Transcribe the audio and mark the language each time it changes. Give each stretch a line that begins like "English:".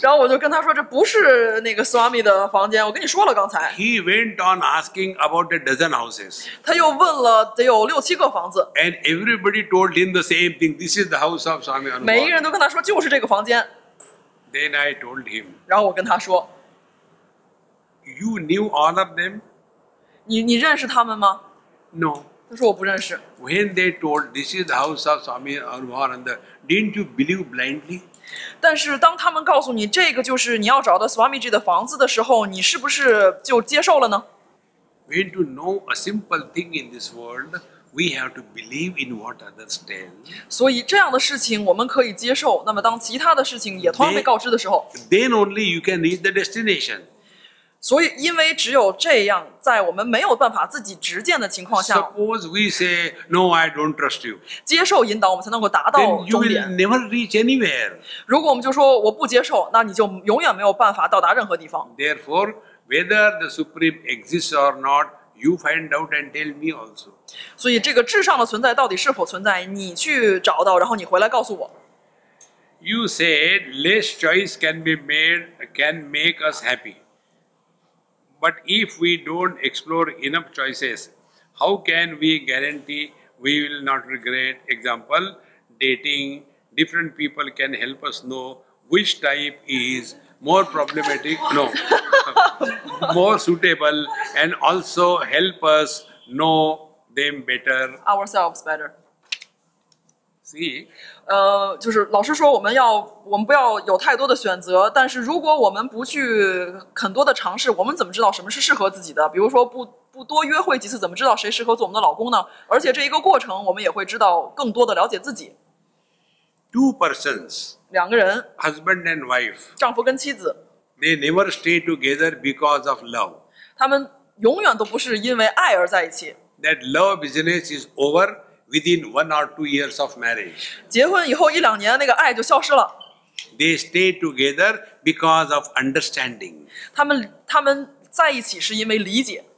Chinese: 然后我就跟他说，这不是那个 Swami 的房间，我跟你说了刚才。
English: He went on asking about a dozen houses.
Chinese: 他又问了得有六七个房子。
English: And everybody told him the same thing. This is the house of Swami Anubhavananda.
Chinese: 每一个人都跟他说，就是这个房间。
English: Then I told him.
Chinese: 然后我跟他说。
English: You knew all of them?
Chinese: 你认识他们吗
English: ？No.
Chinese: 他说我不认识。
English: When they told this is the house of Swami Anubhavananda, didn't you believe blindly?
Chinese: 但是当他们告诉你这个就是你要找的 Swamiji 的房子的时候，你是不是就接受了呢
English: ？When to know a simple thing in this world, we have to believe in what others tell.
Chinese: 所以这样的事情我们可以接受。那么当其他的事情也同样被告知的时候
English: then only you can reach the destination.
Chinese: 所以，因为只有这样，在我们没有办法自己直见的情况下
English: ，Suppose we say no, I don't trust you.
Chinese: 接受引导，我们才能够达到终点。
English: Then you will never reach anywhere.
Chinese: 如果我们就说我不接受，那你就永远没有办法到达任何地方。
English: Therefore, whether the supreme exists or not, you find out and tell me also.
Chinese: 所以，这个至上的存在到底是否存在，你去找到，然后你回来告诉我。
English: You said less choice can be made can make us happy. But if we don't explore enough choices, how can we guarantee we will not regret. Example, dating, different people can help us know which type is more problematic, no, more suitable, and also help us know them better. Ourselves better. See?
Chinese: 就是老师说我们不要有太多的选择，但是如果我们不去很多的尝试，我们怎么知道什么是适合自己的？比如说不多约会几次，怎么知道谁适合做我们的老公呢？而且这一个过程，我们也会知道更多的了解自己。
English: Two persons,
Chinese: 两个人
English: husband and wife,
Chinese: 丈夫跟妻子
English: they never stay together because of love.
Chinese: 他们永远都不是因为爱而在一起。
English: That love business is over within 1 or 2 years of marriage.
Chinese: 结婚以后一两年那个爱就消失了。
English: They stay together because of understanding.
Chinese: 他们在一起是因为理解。